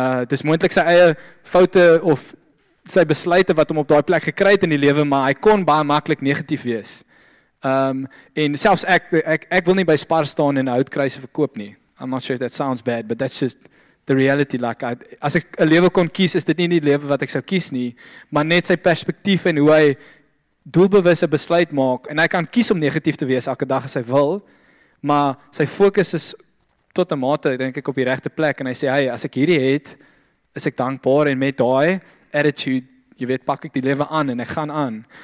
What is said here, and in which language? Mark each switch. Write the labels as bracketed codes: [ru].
[af] Dis moontlik sy eie foute of sy besluite wat hom op daai plek gekry het in die lewe, maar hy kon baie maklik negatief wees. En selfs ek wil nie by Spar staan en 'n houtkruise verkoop nie. [en] I'm not sure if that sounds bad, but that's just the reality. [af] Like, as ek 'n lewe kon kies, is dit nie die lewe wat ek sou kies nie, maar net sy perspektief en hoe hy doelbewus 'n besluit maak, en hy kan kies om negatief te wees elke dag as hy wil, maar sy fokus is tot 'n mate, denk ek, op die regte plek, en hy sê, hey, as ek hierdie het, is ek dankbaar, en met daai attitude, jy weet, pak ek die lewe aan, en ek gaan aan.